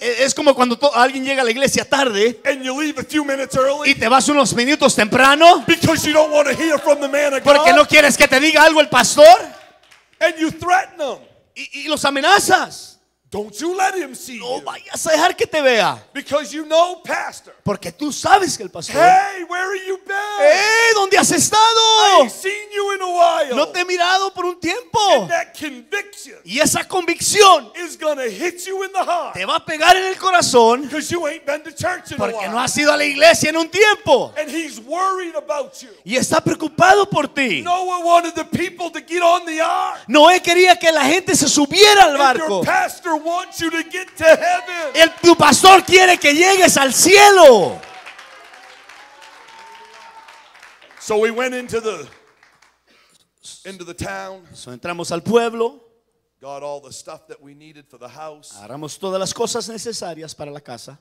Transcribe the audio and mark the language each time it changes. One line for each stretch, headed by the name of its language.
Spanish: Es como cuando alguien llega a la iglesia tarde.
English: And you leave a few minutes early.
Spanish: Y te vas unos minutos temprano.
English: Because you don't want to hear from the man of God.
Spanish: Porque no quieres que te diga algo el pastor.
English: And you threaten them.
Spanish: Y los amenazas.
English: Don't you let him see you.
Spanish: No vayas a dejar que te vea.
English: Because you know, pastor.
Spanish: Porque tú sabes que el pastor.
English: Hey, where have you been?
Spanish: Hey, ¿dónde has estado?
English: I ain't seen you in a while.
Spanish: No te he mirado por un tiempo.
English: And that conviction.
Spanish: Y esa convicción.
English: Is gonna hit you in the heart.
Spanish: Te va a pegar en el corazón.
English: Because you ain't been to church in a while.
Spanish: Porque no has ido a la iglesia en un tiempo.
English: And he's worried about you.
Spanish: Y está preocupado por ti.
English: Noah wanted the people to get on the ark.
Spanish: Noé quería que la gente se subiera al barco.
English: And your pastor wants you to get to heaven.
Spanish: El tu pastor quiere que llegues al cielo.
English: So we went into the town.
Spanish: So entramos al pueblo.
English: Got all the stuff that we needed for the house.
Spanish: Agarramos todas las cosas necesarias para la casa.